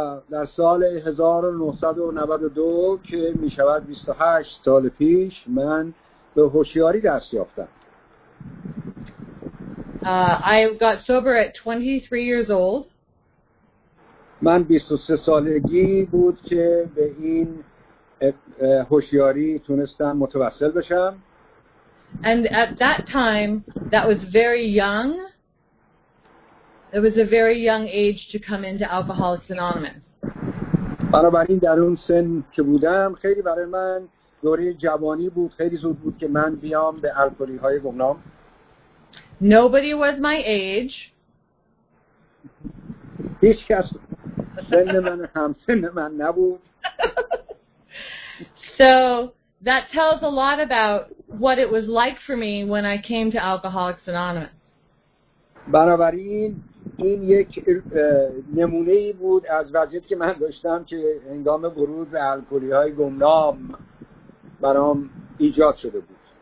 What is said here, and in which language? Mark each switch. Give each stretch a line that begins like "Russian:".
Persian: در سال 1992 که می شود 28 سال پیش من به هوشیاری دست یافتم.
English: I got sober at 23 years old.
Persian: من 23 سالگی بود که به این هوشیاری تونستم متوسل بشم.
English: And at that time, that was very young. It was a very young age to come into Alcoholics Anonymous.
Persian: بنابراین در اون سن که بودم خیلی برای من دوره جوانی بود، خیلی زود بود که من بیام به الکلی‌های گمنام.
English: Nobody was my age.
Persian: هیچ کس سن من هم سن من نبود.
English: So that tells a lot about what it was like for me when I came to Alcoholics Anonymous.
Persian: بنابراین این یک نمونه‌ای بود از وضعیتی که من داشتم که هنگام ورود به الکلی‌های گمنام برام ایجاد شده بود.